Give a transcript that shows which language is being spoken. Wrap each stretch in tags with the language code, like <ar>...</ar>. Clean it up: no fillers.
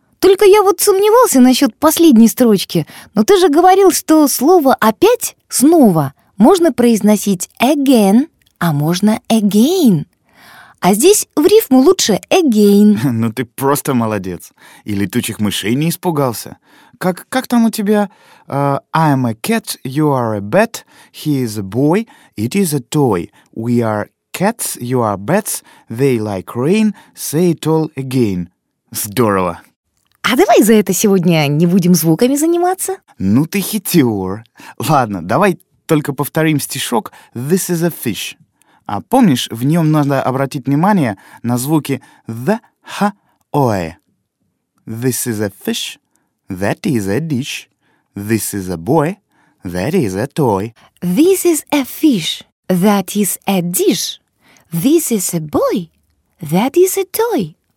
<ru>Только я вот сомневался насчет последней строчки. Но ты же говорил, что слово «опять» — «снова». Можно произносить again, а можно again. А здесь в рифму лучше again. Ну ты просто молодец. И летучих мышей не испугался. Как там у тебя?</ru> <en>I'm a cat, you are a bat, he is a boy, it is a toy. We are cats, you are bats, they like rain, say it all again.</en> <ru>Здорово. А давай за это сегодня не будем звуками заниматься? Ну ты хитер. Ладно, давай... Только повторим стишок</ru> <en>«This is a fish».</en> <ru>А помнишь, в нем надо обратить внимание на звуки «the», «ha», «oe».</ru> <en>«This is a fish», «that is a dish», «this is a boy», «that is a toy». «This is a fish», «that is a dish», «this is a boy», «that is a toy».</en>